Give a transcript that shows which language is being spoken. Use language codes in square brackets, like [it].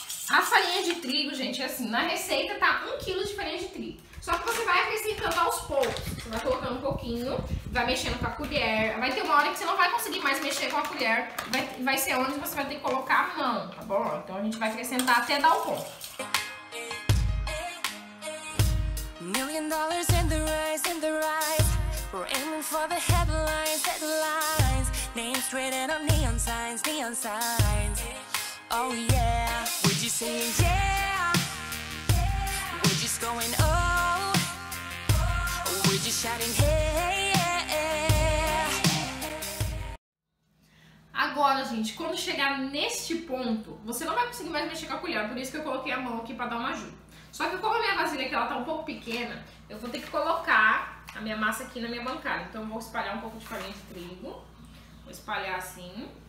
[pt] A farinha de trigo, gente, é assim. Na receita tá 1 quilo de farinha de trigo. Só que você vai acrescentando aos poucos. Você vai colocando um pouquinho, vai mexendo com a colher. Vai ter uma hora que você não vai conseguir mais mexer com a colher. Vai ser onde você vai ter que colocar a mão, tá tá bom? Então a gente vai acrescentar até dar o ponto. [en] Million dollars in the rise, we're aiming for the headlines, headlines. Names written on neon signs, neon signs. Oh yeah, would you say yeah? We're just going oh, we're just shouting hey, hey, yeah. [pt] Agora, gente, quando chegar neste ponto, você não vai conseguir mais mexer com a colher, por isso que eu coloquei a mão aqui pra dar uma ajuda. Só que como a minha vasilha aqui ela tá um pouco pequena, eu vou ter que colocar a minha massa aqui na minha bancada. Então eu vou espalhar um pouco de farinha de trigo. Vou espalhar assim.